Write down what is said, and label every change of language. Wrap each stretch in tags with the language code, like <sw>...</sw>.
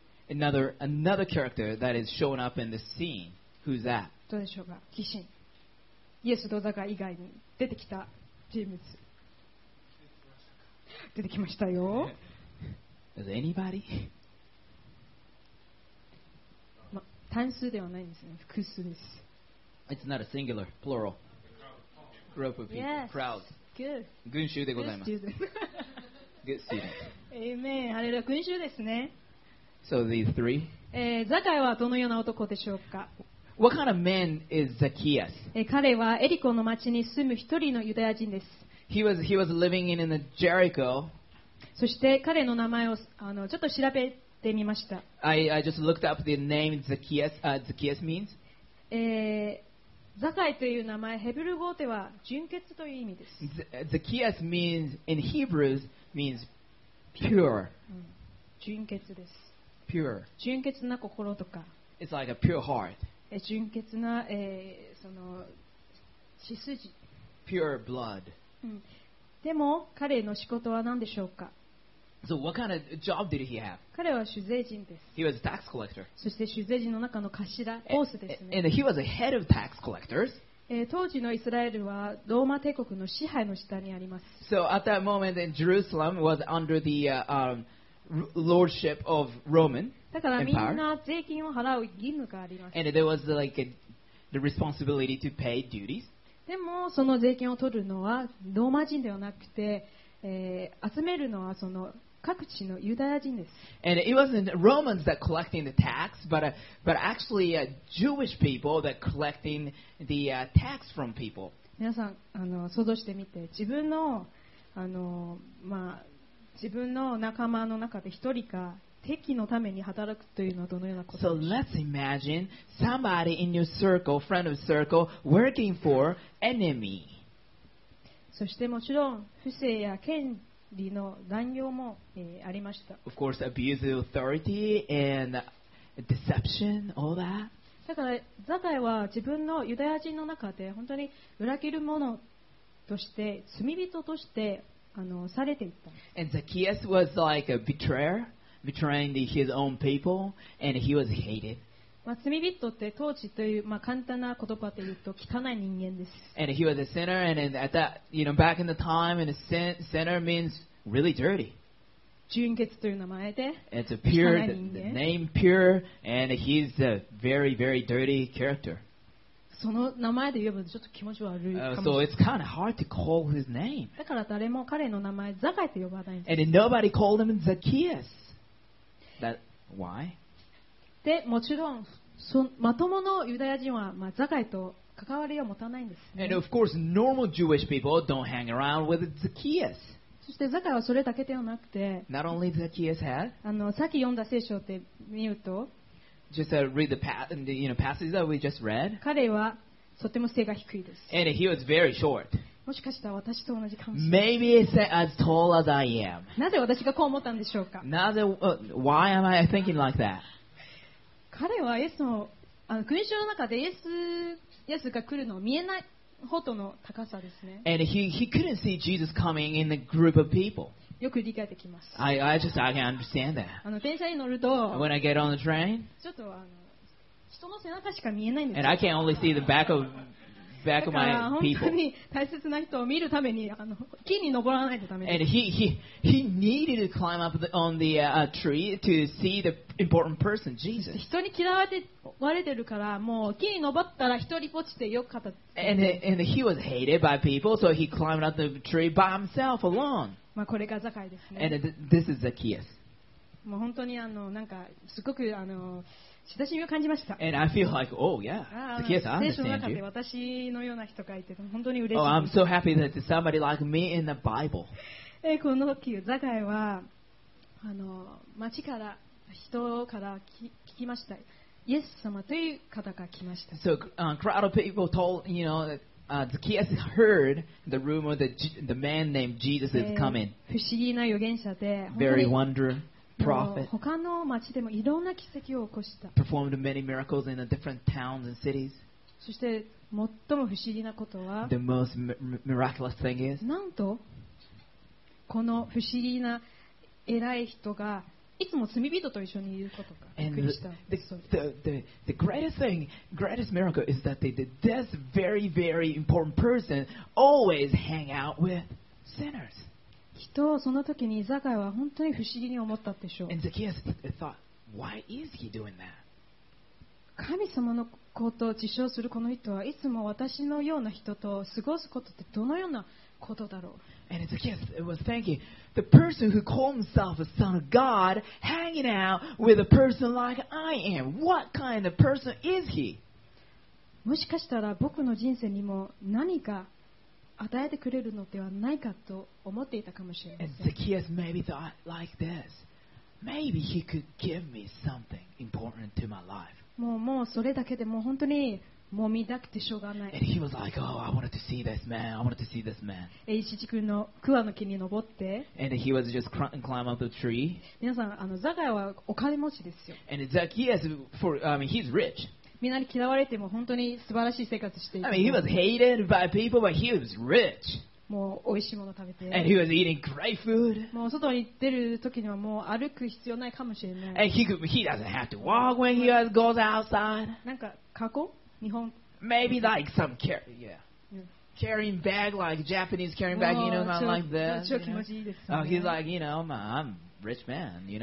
<en>another character that is showing up in the scene. Who's that?</en> <ja>どうでしょうか。鬼神。イエスとザカイ以外に出てきた人物出てきましたよ。</ja> <en>Is anybody?</en> <ja>単数ではないんですね。複数です。</ja> <en>It's not a singular, plural. Group of people. Yes. Crowd. Good.</en> <ja>群衆でございます。</ja> <en>Good student.</en> <ja>Amen. あれだ、群衆ですね。</ja> <en>So these three?</en> <ja>ザカイはどのような男でしょうか。</ja> <en>What kind of man is Zacchaeus?</en> <ja>彼はエリコの町に住む一人のユダヤ人です。</ja> <en>He was living in Jericho.</en> <ja>そして彼の名前をちょっと調べてみました。</ja> <en>I just looked up the name Zacchaeus means.</en> <ja>ザカイという名前、ヘブル語では純潔という意味です。</ja> <en>Zacchaeus means in Hebrews means pure.</en> <ja>純潔です。</ja> <en>Pure.</en> <ja>純潔な心とか。</ja> <en>It's like a pure heart.</en> <ja>純潔な、その血筋。</ja> <en>Pure blood.</en> <ja>でも彼の仕事は何でしょうか。</ja> <en>So what kind of job did he have?</en> <ja>彼は主税人です。</ja> <en>He was a tax collector.</en> <ja>そして主税人の中の頭、ボスですね。</ja> <en>And he was a head of tax collectors.</en> <ja>当時のイスラエルはローマ帝国の支配の下にあります。</ja> <en>So at that moment, in Jerusalem was under the lordship of Roman empire.</en> <ja>だからみんな税金を払う義務があります。</ja> <en>And there was like the responsibility to pay duties.</en> <ja>でもその税金を取るのはローマ人ではなくて、集めるのはその各地のユダヤ人です。</ja> <en>And it wasn't Romans that collecting the tax, but actually Jewish people that collecting the tax from people.</en> <ja>皆さん想像してみて、自分の自分の仲間の中で一人か敵のために働くというのはどのようなことでしょう。</ja> <en>So let's imagine somebody in your circle, friend of circle, working for enemy.</en> <ja>そしてもちろん不正や権利の乱用も、ありました。</ja> <en>Of course, abuse of authority and deception, all that.</en> <ja>だからザカイは自分のユダヤ人の中で本当に裏切る者として罪人としてされていった。</ja> <en>And Zacchaeus was like a betrayer. Betraying his own people, and he was hated.</en> <ja>まあ、罪人って統治という、まあ、簡単な言葉で言うと汚い人間です。</ja> <en>And he was a sinner, and at that, you know, back in the time, and a sinner means really dirty.</en> <ja>純潔という名前で。</ja> <en>It's a pure name, pure, and he's a very, very dirty character.</en> <ja>その名前で呼ぶとちょっと気持ち悪いかもしれない。</ja> <en>So it's kind of hard to call his name.</en> <ja>だから誰も彼の名前ザカイと呼ばないんです。</ja> <en>And nobody called him Zacchaeus. That, why?</en> <ja>でもちろんそまとものユダヤ人は、まあ、ザカイと関わりを持たないんですね。</ja> <en>And of course, normal Jewish people don't hang around with Zacchaeus.</en> <ja>そしてザカイはそれだけではなくて、</ja> <en>Not only Zacchaeus had,</en> <ja>さっき読んだ聖書って見ると、</ja> <en>Just read the passage that we just read.</en> <ja>彼はとても背が低いです。</ja> <en>And he was very short.</en> <ja>もしかしたら私と同じかもしれない。</ja> <en>Maybe as tall as I am.</en> <ja>なぜ私がこう思ったんでしょうか。なぜ、</ja> <en>why am I thinking like that?</en> <ja>彼はイエスの、群衆の中でイエスが来るのを見えないほどの高さですね。</ja> <en>And he couldn't see Jesus coming in the group of people.</en> <ja>よく理解できます。</ja> <en>I can understand that.</en> <ja>電車に乗ると、</ja> <en>when I get on the train,</en> <ja>ちょっと人の背中しか見えないんです。</ja> <en>And I can only see the back of back of my people.</en> <ja>本当に大切な人を見るために木に登らないとダメです。</ja> <en>And he needed to climb up on the tree to see the important person, Jesus.</en> <ja>人に嫌われてるからもう木に登ったら一人ぽちでよかった。</ja> <en>And he was hated by people, so he climbed up the tree by himself alone.</en> <ja>まあこれがザカイですね。</ja> <en>And this is Zacchaeus.</en> <ja>もう本当になんかすごく親しみを感じました。</ja> <en>And I feel like, oh yeah, yes, I understand you.</en> <ja>私のような人がいて本当に嬉しい。</ja> <en>Oh, I'm so happy that there's somebody like me in the Bible.</en> <ja>この時ザカイは町から人から聞きました。イエス様という方が来ました。</ja> <en>So, crowd of people told, you know, Zacchaeus heard the rumor that the man named Jesus is coming.</en> <ja>不思議な預言者で、</ja> <en>very wonderful.</en> <ja>他の町でもいろんな奇跡を起こした。</ja> <en>Performed many miracles in the different towns and cities.</en> <ja>そして最も不思議なことは、</ja> <en>The most miraculous thing is,</en> <ja>なんとこの不思議な偉い人がいつも罪人と一緒にいることがびっくりした。</ja> <en>The greatest thing, greatest miracle is that this very very important person always hang out with sinners.</en> <ja>人をその時にザカイは本当に不思議に思ったでしょう。</ja> <en>And Zacchaeus thought, why is he doing that?</en> <ja>神様のことを自称するこの人はいつも私のような人と過ごすことってどのようなことだろう。</ja> <en>And Zacchaeus was thinking, the person who called himself a son of God hanging out with a person like I am, what kind of person is he?</en> <ja>もしかしたら僕の人生にも何か与えてくれるのではないかと思っていたかもしれません。</ja> <en>And Zacchaeus maybe thought like this. Maybe he could give me something important to my life.</en> <ja>もうそれだけでもう本当に揉みたくてしょうがない。</ja> <en>And he was like, oh, I wanted to see this man. I wanted to see this man.</en> <ja>エイシチ君の桑の木に登って。</ja> <en>And he was just climb up the tree.</en> <ja>皆さん、あのザカイはお金持ちですよ。</ja> <en>And Zacchaeus, for I mean, he's rich.</en> <ja>みんなに嫌われても本当に素晴らしい生活していて。</ja> <en>I mean, he was hated by people, but he was rich.</en> <ja>もう美味しいもの食べて。</ja> <en>And he was eating great food.</en> <ja>もう外に出る時にはもう歩く必要ないかもしれない。</ja> <en>And he doesn't have to walk when he goes outside.</en> <ja>なんか過去？日本</ja> <en>maybe like some carrying bag like Japanese carrying bag you know not like this you know? Oh, he's like you know I'm rich man you know</en>